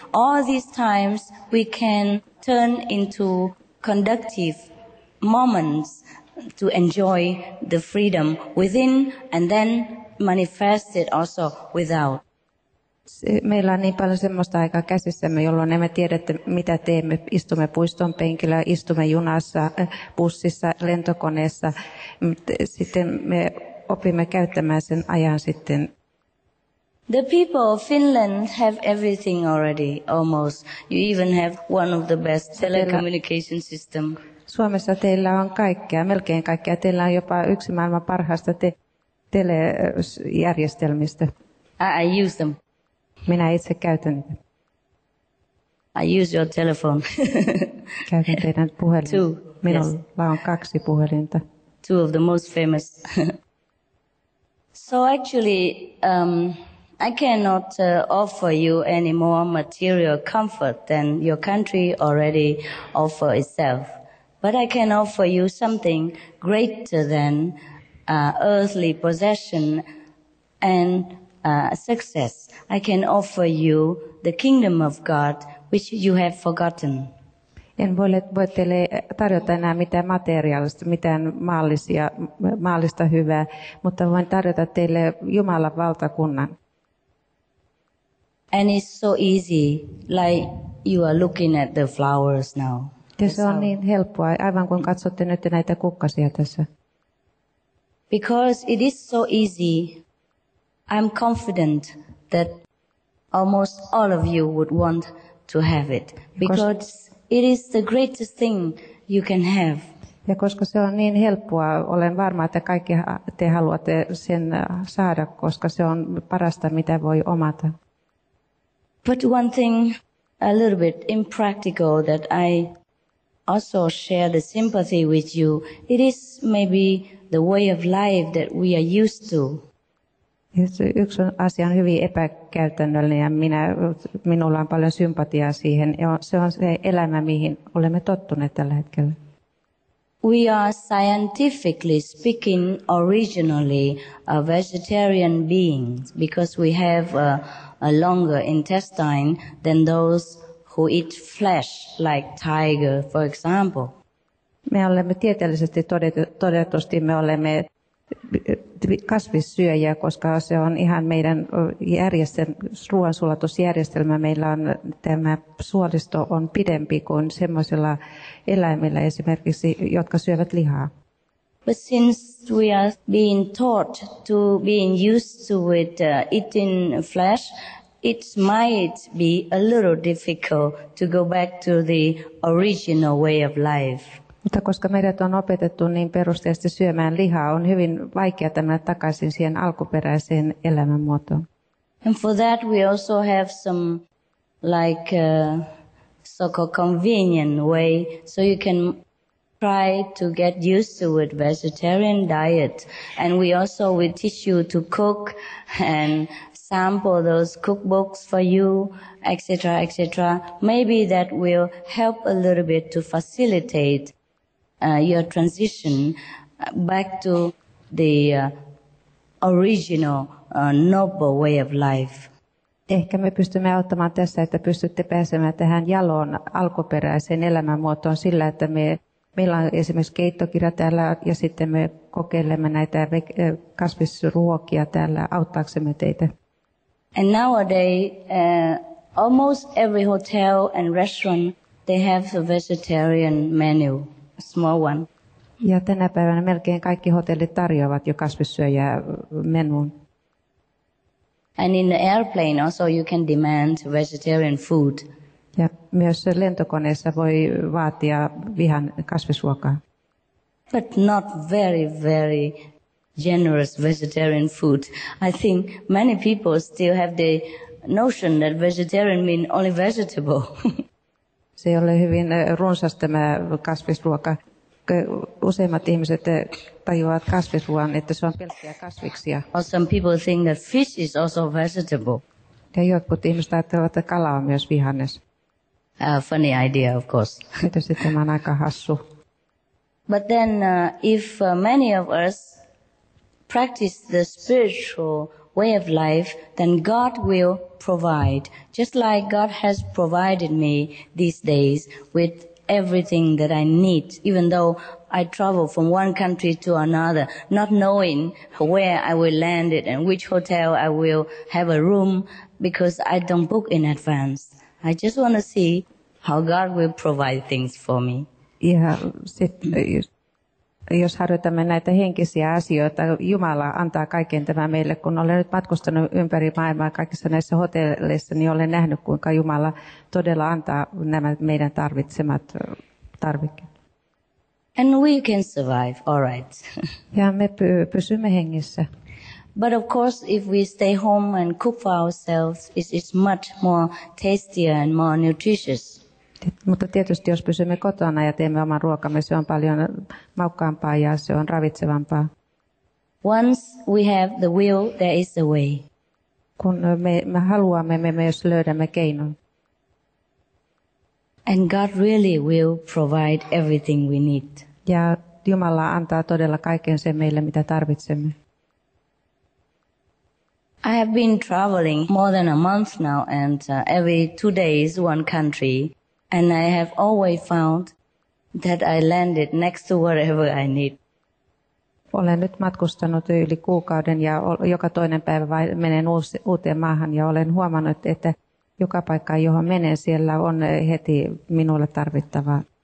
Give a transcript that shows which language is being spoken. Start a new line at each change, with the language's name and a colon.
English: All these times we can turn into conductive moments to enjoy the freedom within and then manifest it also without.
Finnish: Meillä on niin paljon semmoista aikaa käsissämme, jolloin emme tiedä, mitä teemme. Istumme puiston penkillä, istumme junassa, bussissa, lentokoneessa. Sitten me opimme käyttämään sen ajan sitten.
English: The people of Finland have everything already, almost. You even have one of the best telecommunication system.
Finnish: Suomessa teillä on kaikkea, melkein kaikkea. Teillä on jopa yksi maailman parhaista telejärjestelmistä.
English: I use them.
Finnish: Minä itse käytän niitä.
English: I use your telephone.
Finnish: Käytän teidän puhelinta.
English: Two.
Finnish: Minulla
English: yes.
Finnish: on kaksi puhelinta.
English: Two of the most famous. So actually, I cannot offer you any more material comfort than your country already offer itself. But I can offer you something greater than earthly possession and success. I can offer you the kingdom of God, which you have forgotten.
Finnish: En voi teille tarjota enää mitään materiaalista, mitään maallista hyvää, mutta voin tarjota teille Jumalan valtakunnan.
English: And it's so easy, like you are looking at the flowers now.
Finnish: Ja se on niin helppoa, aivan kuin katsotte nyt näitä kukkasia tässä.
English: Because it is so easy, I'm confident that almost all of you would want to have it. Because it is the greatest thing you can have.
Finnish: Ja koska se on niin helppoa, olen varma, että kaikki te haluatte sen saada, koska se on parasta, mitä voi omata.
English: But one thing a little bit impractical that I also share the sympathy with you, it is maybe the way of life that we are used to.
Finnish: Yksi asia on hyvin epäkäytännöllinen ja minulla on paljon sympatiaa siihen. Se on se elämä, mihin olemme tottuneet tällä hetkellä.
English: We are scientifically speaking originally a vegetarian being because we have a longer intestine than those who eat flesh, like tiger, for example.
Finnish: Me olemme tieteellisesti todetusti me olemme kasvissyöjiä, koska se on ihan meidän ruoansulatusjärjestelmä. Meillä on tämä suolisto on pidempi kuin semmoisilla eläimillä esimerkiksi, jotka syövät lihaa.
English: But since we are being taught to being used to it, eating flesh, it might be a little difficult to go back to the original way of life.
Finnish: Mutta koska meidät on opetettu niin perusteellisesti syömään lihaa, on hyvin vaikeaa mennä takaisin siihen alkuperäiseen elämänmuotoon.
English: And for that we also have some like so-called convenient way, so you can try to get used to a vegetarian diet. And we also will teach you to cook and sample those cookbooks for you, etc., etc. Maybe that will help a little bit to facilitate your transition back to the original noble way of life.
Finnish: Ehkä me pystymme auttamaan tässä, että pystytte pääsemään tähän jaloon alkuperäiseen elämänmuotoon sillä, että meillä on esimerkiksi keittokirja täällä ja sitten me kokeilemme näitä kasvisruokia täällä auttaaksemme teitä.
English: And nowadays, almost every hotel and restaurant, they have a vegetarian menu, a small one.
Finnish: Ja tänä päivänä melkein kaikki hotellit tarjoavat jo kasvissyöjä menuun.
English: And in the airplane also you can demand vegetarian food.
Finnish: Ja myös lentokoneessa voi vaatia vihan kasvisruokaa.
English: But not very, very generous vegetarian food. I think many people still have the notion that vegetarian means only vegetable.
Finnish: Se ei ole hyvin runsas tämä kasvisruoka. Useimmat ihmiset tajuavat kasvisruoan, että se on pelkkiä kasviksia.
English: Or some people think that fish is also vegetable.
Finnish: Ja jotkut ihmiset ajattelevat, että kala on myös vihannes.
English: Funny idea, of course.
Finnish: Mitä sitten on aika hassu.
English: But then if many of us practice the spiritual way of life, then God will provide, just like God has provided me these days with everything that I need, even though I travel from one country to another, not knowing where I will land it and which hotel I will have a room, because I don't book in advance. I just want to see how God will provide things for me.
Finnish: Ja sitten, jos harjoitamme näitä henkisiä asioita, Jumala antaa kaiken tämän meille. Kun olen nyt matkustanut ympäri maailmaa kaikissa näissä hotelleissa, niin olen nähnyt, kuinka Jumala todella antaa nämä meidän tarvitsemat tarvikkeet.
English: And we can survive, all right.
Finnish: Ja me pysymme hengissä.
English: But of course, if we stay home and cook for ourselves, it's much more tastier and more nutritious.
Finnish: Mutta tietysti jos pysymme kotona ja teemme oman ruokamme, se on paljon maukkaampaa ja se on ravitsevampaa.
English: Once we have the will, there is a way.
Finnish: Kun me haluamme, me myös löydämme keinon.
English: And God really will provide everything we need.
Finnish: Ja Jumala antaa todella kaiken sen meille, mitä tarvitsemme.
English: I have been traveling more than a month now, and every 2 days one country. And I have always found that I landed next to whatever I need.
Finnish: Olen nyt matkustanut yli kuukauden ja joka toinen päivä menen uuteen maahan ja olen huomannut, että joka paikka, johon menen, siellä on heti minulle tarvittavaa.